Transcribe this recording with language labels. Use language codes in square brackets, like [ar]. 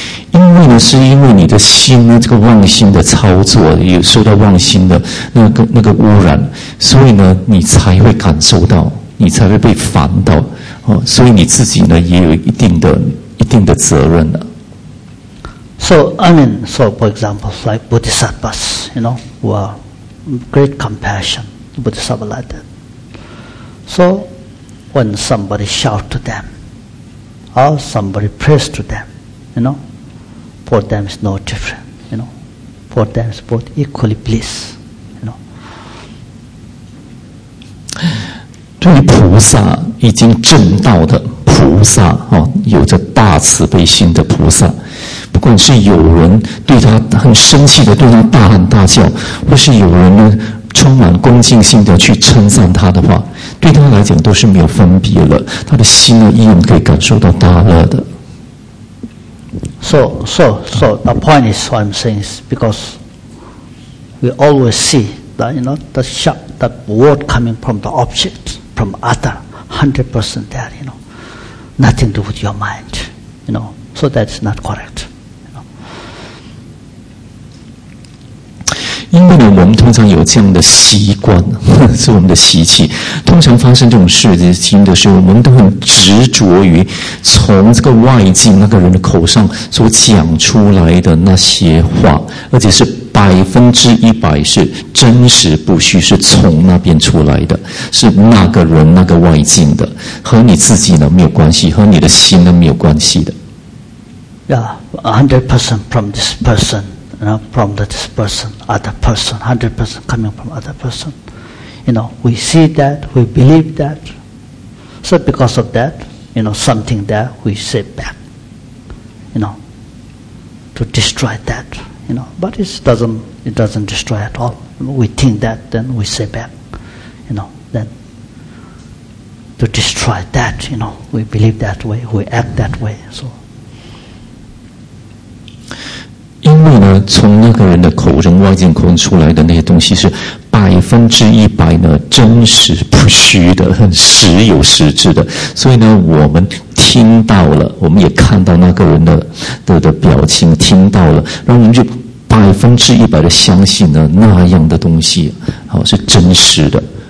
[zh] 因为呢，是因为你的心呢，这个妄心的操作有受到妄心的那个污染，所以呢，你才会感受到，你才会被烦到，哦，所以你自己呢也有一定的责任的。 [en] So I mean, so for example, like Bodhisattvas, you know, who are great compassion, Bodhisattva like that. So when somebody shout to them, or somebody prays to them, you know. For them is no different, you know. For them is both equally bliss, you know. [zh] 对菩萨已经证道的菩萨，哦，有着大慈悲心的菩萨，不管是有人对他很生气的对他大喊大叫，或是有人呢充满恭敬心的去称赞他的话，对他来讲都是没有分别了，他的心呢依然可以感受到大乐的。 [en] So the point is what I'm saying is because we always see that, you know, the shock, the word coming from the object, from other, 100% there, you know, nothing to do with your mind, you know, so that's not correct. You know. [zh] 因为呢，我们通常有这样的习惯，是我们的习气，通常发生这种事情的时候，我们都很执着于从这个外境那个人的口上所讲出来的那些话，而且是100%是真实不虚，是从那边出来的，是那个人那个外境的，和你自己呢没有关系，和你的心呢没有关系的。 [en] Yeah, 100% from this person, you know, from this person, other person, 100% coming from other person. You know, we see that, we believe that. So because of that,You know, something that we set back, you know, to destroy that, you know. But it doesn't destroy at all. We think that, then we set back, you know, then to destroy that, you know, we believe that way, we act that way, so. [zh] 因为呢，从那个人的口中、外境口中出来的那些东西是100%呢真实不虚的，很实有实质的。所以呢，我们听到了，我们也看到那个人的表情，听到了，然后我们就100%的相信呢那样的东西，好，是真实的。